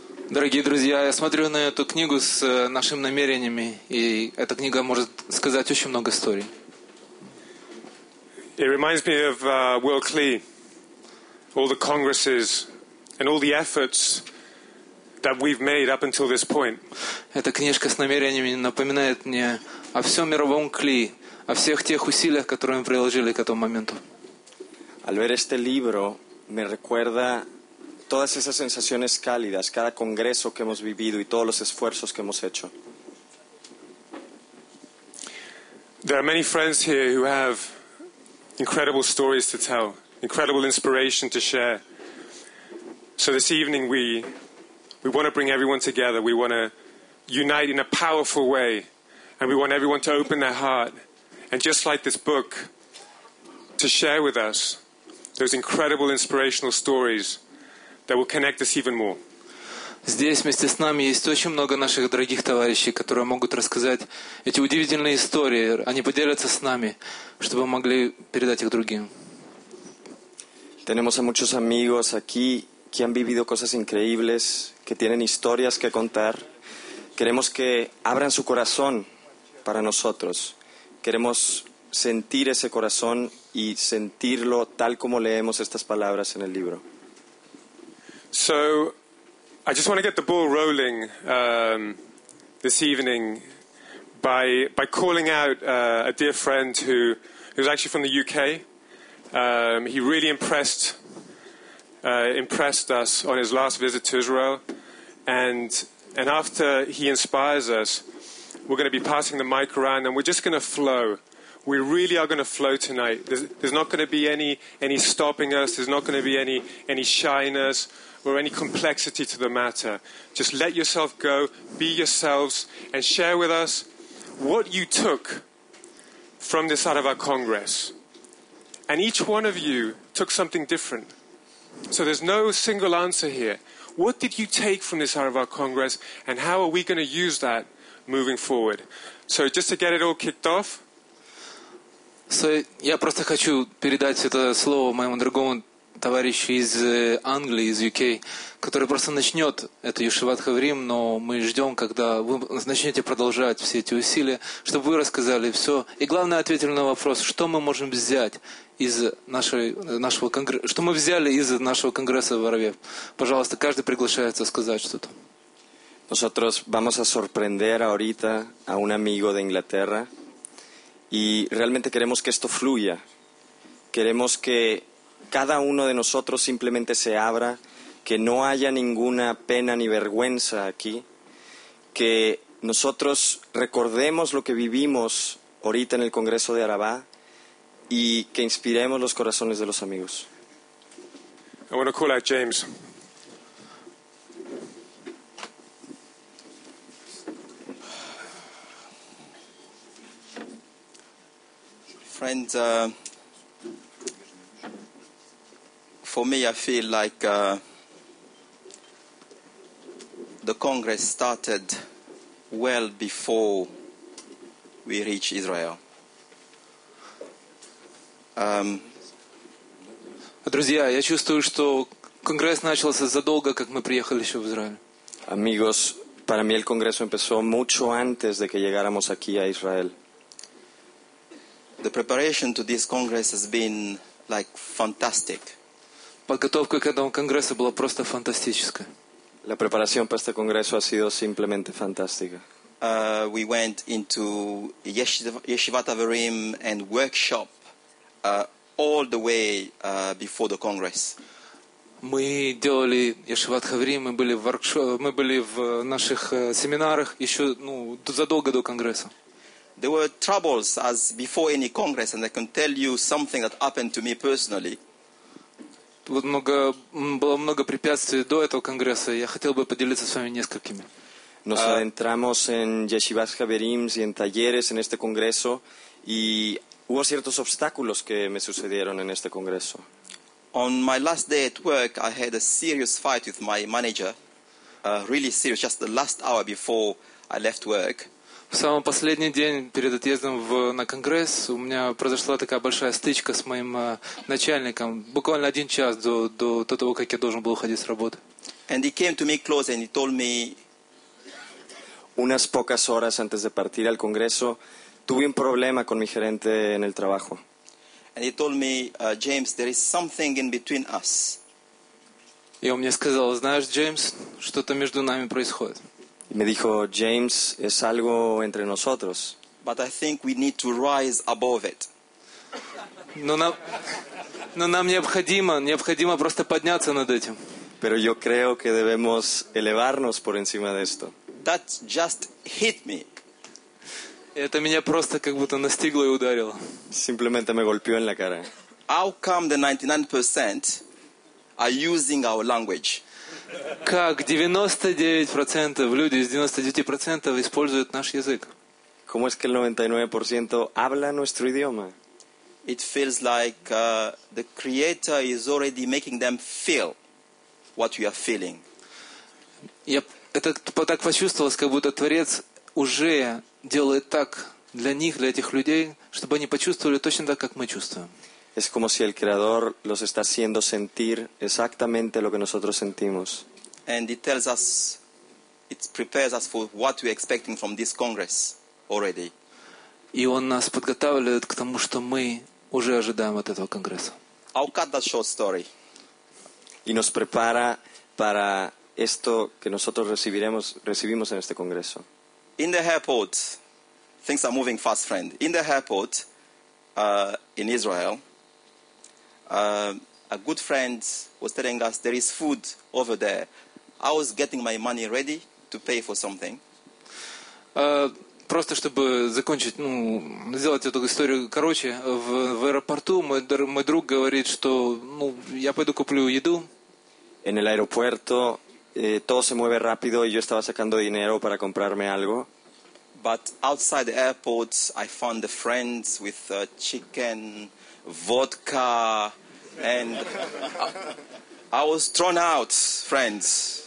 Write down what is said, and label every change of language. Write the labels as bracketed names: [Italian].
[Russian] Дорогие друзья, я смотрю на эту книгу с нашими намерениями, и эта книга может сказать очень много историй. [English] It reminds me of Will Klee, all the congresses and all the efforts that we've made up until this point. [Russian] Эта книжка с намерениями напоминает мне о всем мировом Кли, о всех тех усилиях, которые мы приложили к этому моменту. [Spanish] Al ver este libro, me recuerda todas esas sensaciones cálidas, cada congreso que hemos vivido y todos los esfuerzos que hemos hecho. [English] There are many friends here who have incredible stories to tell, incredible inspiration to share. So this evening we want to bring everyone together. We want to unite in a powerful way, and we want everyone to open their heart and just like this book, to share with us those incredible inspirational stories that will connect us even more. [Russian] Здесь вместе с нами есть очень много наших дорогих товарищей, которые могут рассказать эти удивительные истории. Они поделятся с нами, чтобы могли передать их другим. [Spanish] Tenemos a muchos amigos aquí que han vivido cosas increíbles, que tienen historias que contar. Queremos que abran su corazón para nosotros. Queremos sentir ese corazón y sentirlo tal como leemos estas palabras en el libro. [English] So, I just want to get the ball rolling this evening by calling out a dear friend who's actually from the UK. He really impressed us on his last visit to Israel, and after he inspires us, we're going to be passing the mic around and we're just going to flow. We really are going to flow tonight. There's not going to be any stopping us. There's not going to be any shyness or any complexity to the matter. Just let yourself go, be yourselves, and share with us what you took from this out of our Congress. And each one of you took something different. So there's no single answer here. What did you take from this out of our Congress, and how are we going to use that moving forward? So just to get it all kicked off, [Russian] Я просто хочу передать это слово моему другому товарищу из Англии, из UK, который просто начнет эту Йешиват Хаврим, но мы ждем, когда вы начнете продолжать все эти усилия, чтобы вы рассказали все. И главное, ответили на вопрос, что мы можем взять из нашего конгресса, что мы взяли из нашего конгресса в Арве. Пожалуйста, каждый приглашается сказать что-то. [Spanish] Nosotros vamos a sorprender ahorita a un amigo de Inglaterra. Y realmente queremos que esto fluya. Queremos que cada uno de nosotros simplemente se abra, que no haya ninguna pena ni vergüenza aquí, que nosotros recordemos lo que vivimos ahorita en el Congreso de Arabá y que inspiremos los corazones de los amigos. [English] I want to call out James. Friends, for me, I feel like the Congress started well before we reached Israel. [Russian] Друзья, я чувствую, что Конгресс начался задолго, как мы приехали еще в Израиль. [Spanish] Amigos, para mí el Congreso empezó mucho antes de que llegáramos aquí a Israel. [English] The preparation to this Congress has been like fantastic. [Russian] Подготовка к этому конгрессу была просто фантастическая. [Spanish] La preparación para este congreso ha sido simplemente fantástica. [English] We went into Yeshivat Avarim and workshop all the way before the Congress. [Russian] Мы делали Yeshivat Avarim, мы были в наших семинарах еще задолго до конгресса. [English] There were troubles as before any congress, and I can tell you something that happened to me personally. [Russian] Было много препятствий до этого конгресса. Я хотел бы поделиться с вами несколькими. [Spanish] Nos adentramos en Yeshivat Haverim y en talleres en este congreso, y hubo ciertos obstáculos que me sucedieron en este congreso. [English] On my last day at work, I had a serious fight with my manager, really serious, just the last hour before I left work. [Russian] В самый последний день перед отъездом на Конгресс у меня произошла такая большая стычка с моим начальником, буквально один час до того, как я должен был уходить с работы. [English] And he came to me close and he told me, [Spanish] unas pocas horas antes de partir al Congreso, tuve un problema con mi gerente en el trabajo. [English] And he told me, James, there is something in between us. [Russian] И он мне сказал, знаешь, Джеймс, что-то между нами происходит. [Spanish] Me dijo, James, es algo entre nosotros. [English] But I think we need to rise above it. [Russian] Но нам необходимо просто подняться над этим. [Spanish] Pero yo creo que debemos elevarnos por encima de esto. [English] That just hit me. [Russian] Это меня просто как будто настигло и ударило. [Spanish] Simplemente me golpeó en la cara. [English] How come the 99% are using our language? [Russian] Как 99% люди из 99% используют наш язык? [Spanish] ¿Cómo es que el 99% habla nuestro idioma? [English] It feels like the creator is already making them feel what we are feeling. [Russian] Это так почувствовалось, как будто Творец уже делает так для них, для этих людей, чтобы они почувствовали точно так, как мы чувствуем. [Spanish] Es como si el creador los está haciendo sentir exactamente lo que nosotros sentimos. [English] And it tells us, it prepares us for what we are expecting from this Congress already. [Russian] И он нас подготавливает к тому, что мы уже ожидаем от этого Конгресса. [English] I'll cut that short story. [Spanish] Y nos prepara para esto que nosotros recibimos en este Congreso. [English] In the airport, things are moving fast, friend. In the airport, in Israel, a good friend was telling us there is food over there. I was getting my money ready to pay for something. [Russian] Просто чтобы закончить, сделать эту историю короче, в аэропорту мой друг говорит, что я пойду куплю еду. [Spanish] En el aeropuerto todo se mueve rápido y yo estaba sacando dinero para comprarme algo. [English] But outside the airport, I found the friends with chicken, vodka, and I was thrown out, friends.